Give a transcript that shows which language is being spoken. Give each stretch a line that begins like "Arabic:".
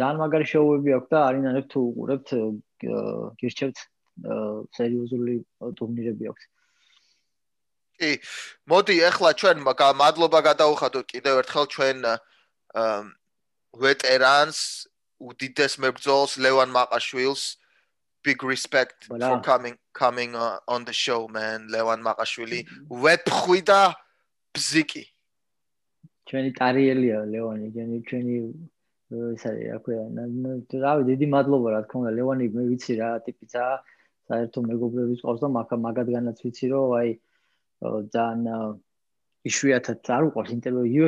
Georgian: ძალიან მაგარი შოუები აქვს და არინანებ თუ უყურებთ, გირჩევთ, სერიოზული ტურნირები აქვს. კი, მოდი ეხლა ჩვენ მადლობა გადაუხადოთ კიდევ ერთხელ ჩვენ ვეტერანს, უდიდეს მებრძოლს ლევან მაყაშვილს.
English: Big respect for coming on the show man.
Georgian: ლევან მაყაშვილი ვეფხვი და ბზიკი, ჩვენი ტარიელია ლევანი, ჩვენი ისე რა ქვია, რავი, დიდი მადლობა, რა თქმა უნდა ლევანი, მე ვიცი რა ტიპიცა, საერთო მეგობრების ყავს და მაგადგანაც ვიცი, რომ აი ძალიან იშვიათად არ უყვარს ინტერვიუ.